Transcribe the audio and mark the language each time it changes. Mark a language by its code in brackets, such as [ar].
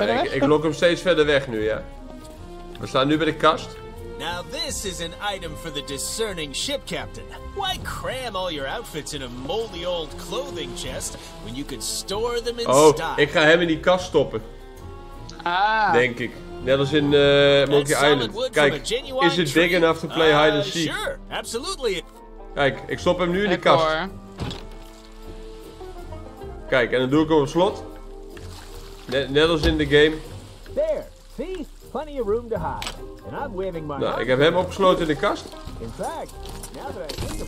[nl] Ja, ik lok hem steeds verder weg nu, ja. We staan nu bij de kast. [en] Now this is an item for the discerning ship captain. Why cram all your outfits in a moldy old clothing chest when you could store them in stock? Oh, [nl] ik ga hem in die kast stoppen. Ah. Denk ik. Net als in Monkey Island. Kijk, [en] is it big enough to play hide and seek? Sure, absolutely. [nl] Kijk, ik stop hem nu in die kast. Kijk, en dan doe ik hem op slot. Net als in de game. [en] There, see? Plenty of room to hide. And I'm waving my [nl] Ik heb hem opgesloten in de kast. [en] In fact, now that I think about